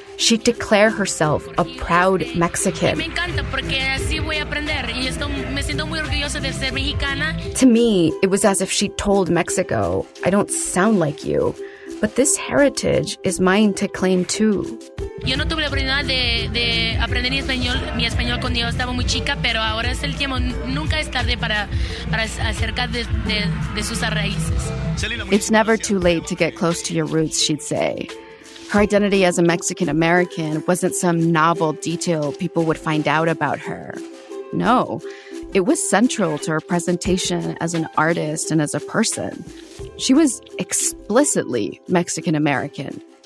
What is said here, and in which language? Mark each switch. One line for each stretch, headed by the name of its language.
English: She'd declare herself a proud Mexican. To me, it was as if she told Mexico, I don't sound like you. But this heritage is mine to claim too.
Spanish: Yo no tuve la oportunidad de aprender mi español cuando yo estaba muy chica, pero ahora es el tiempo. Nunca es tarde para acercar de sus raíces.
English: It's never too late to get close to your roots, she'd say. Her identity as a Mexican American wasn't some novel detail people would find out about her. No, it was central to her presentation as an artist and as a person. She was explicitly Mexican American.